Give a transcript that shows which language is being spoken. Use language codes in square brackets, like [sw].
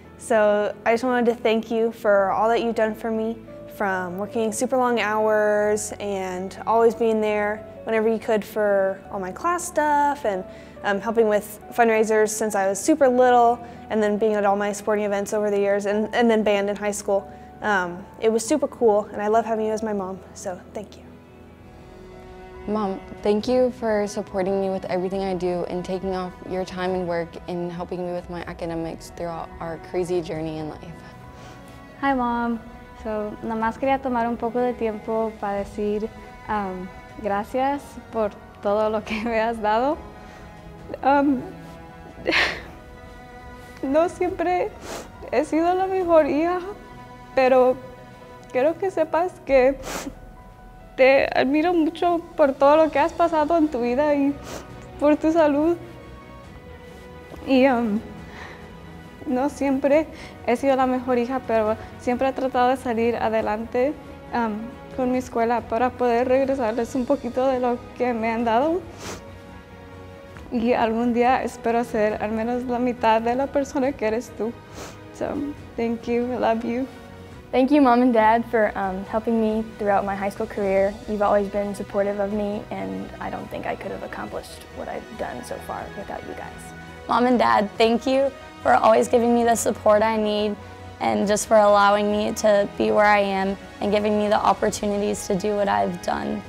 [en] So I just wanted to thank you for all that you've done for me, from working super long hours and always being there whenever you could for all my class stuff, and helping with fundraisers since I was super little, and then being at all my sporting events over the years, and then band in high school. It was super cool, and I love having you as my mom, so thank you. Mom, thank you for supporting me with everything I do and taking off your time and work and helping me with my academics throughout our crazy journey in life. Hi, Mom. [es] So, nada más quería tomar un poco de tiempo para decir gracias por todo lo que me has dado. No siempre he sido la mejor hija, pero quiero que sepas que te admiro mucho por todo lo que has pasado en tu vida y por tu salud. Y no siempre he sido la mejor hija, pero siempre he tratado de salir adelante con mi escuela para poder regresarles un poquito de lo que me han dado. Y algún día espero ser al menos la mitad de la persona que eres tú. [en] So, thank you, I love you. Thank you, Mom and Dad, for helping me throughout my high school career. You've always been supportive of me, and I don't think I could have accomplished what I've done so far without you guys. Mom and Dad, thank you for always giving me the support I need and just for allowing me to be where I am and giving me the opportunities to do what I've done.